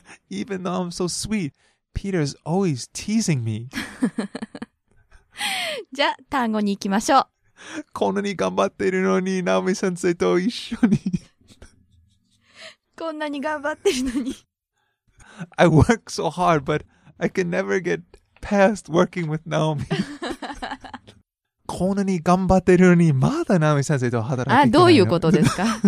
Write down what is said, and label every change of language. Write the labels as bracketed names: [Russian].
[English] Even though I'm so sweet, Peter is always teasing me. [Japanese] じゃあ単語に行きましょう。こんなに頑張っているのに、ナオミ先生と一緒に。こんなに頑張ってるのに。 [English] I work so hard, but I can never get past working with Naomi. [Japanese] こんなに頑張ってるのに、まだナオミ先生と働いていないの。あ、どういうことですか?